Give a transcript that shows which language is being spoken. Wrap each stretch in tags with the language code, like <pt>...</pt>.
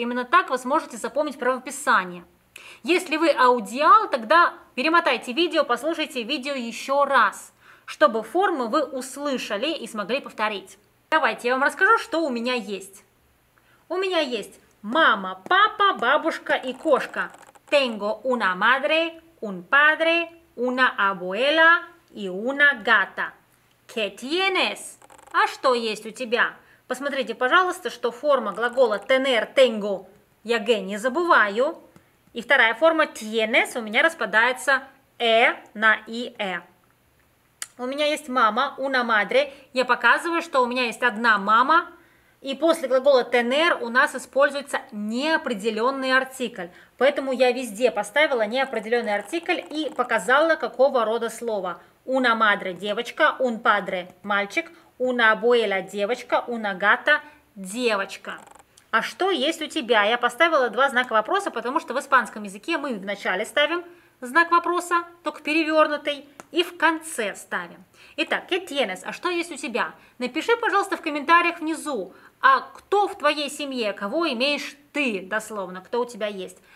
<ru>Именно так вы сможете запомнить правописание. Если вы аудиал, тогда перемотайте видео, послушайте видео еще раз, чтобы формы вы услышали и смогли повторить. Давайте я вам расскажу, что у меня есть. У меня есть мама, папа, бабушка и кошка.</ru> <es>Tengo una madre, un padre, una abuela...</es> <ru>И</ru> <es>una gata. ¿Qué tienes?</es> <ru>А что есть у тебя? Посмотрите, пожалуйста, что форма глагола tener, tengo, я г не забываю. И вторая форма tienes у меня распадается э на ие. У меня есть мама,</ru> <es>una madre.</es> <ru>Я показываю, что у меня есть одна мама. И после глагола tener у нас используется неопределенный артикль. Поэтому я везде поставила неопределенный артикль и показала, какого рода слово.</ru> <es>Una madre</es> <ru>– девочка,</ru> <es>un padre</es> <ru>– мальчик,</ru> <es>una abuela</es> <ru>– девочка,</ru> <es>una gata</es> <ru>– девочка. А что есть у тебя? Я поставила два знака вопроса, потому что в испанском языке мы вначале ставим знак вопроса, только перевернутый, и в конце ставим. Итак,</ru> <es>¿qué tienes?</es> <ru>А что есть у тебя? Напиши, пожалуйста, в комментариях внизу, а кто в твоей семье, кого имеешь ты дословно, кто у тебя есть?</ru>